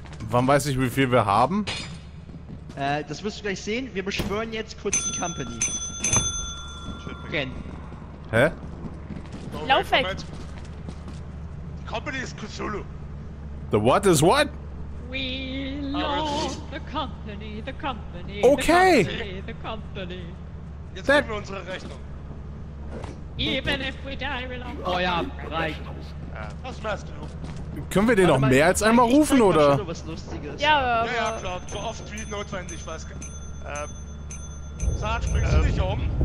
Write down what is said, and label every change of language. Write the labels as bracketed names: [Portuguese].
[German] Wann weiß ich, wie viel wir haben? Das wirst du gleich sehen. Wir beschwören jetzt kurz die Company. [English] Again. [German] Hä? Lauf weg! Die Company ist Cthulhu. [English] The what is what? We love the company, the company. Okay! The company, the company. [German] Jetzt haben wir unsere Rechnung. [English] Even if we die, we love the company. [German] Oh ja, reicht. Das meinst du? Können wir den noch mehr als einmal rufen, oder? Ja, ja, ja, klar. So oft wie notwendig, weiß ich. Sarge, bringst du dich um?